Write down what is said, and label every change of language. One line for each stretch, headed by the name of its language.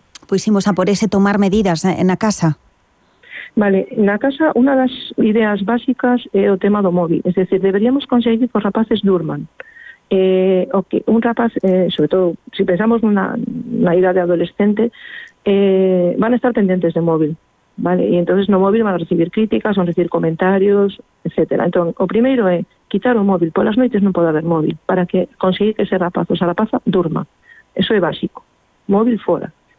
Galician: Pois imos a por ese tomar medidas na casa. Vale, na casa, unha das ideas básicas é o tema do móvil.
Spanish: Es decir, deberíamos conseguir que
Galician: os rapaces durman.
Spanish: Okay, un rapaz, sobre todo, si pensamos
Galician: na idade adolescente,
Spanish: van a estar
Galician: pendentes de móvil.
Spanish: Vale, y entonces no móvil van a recibir críticas, van a recibir comentarios, etcétera. Entonces, o primero es quitar o móvil. Por las noches no puede haber móvil, para que conseguir que ese rapaz o esa rapaza durma. Eso es básico. Móvil fuera.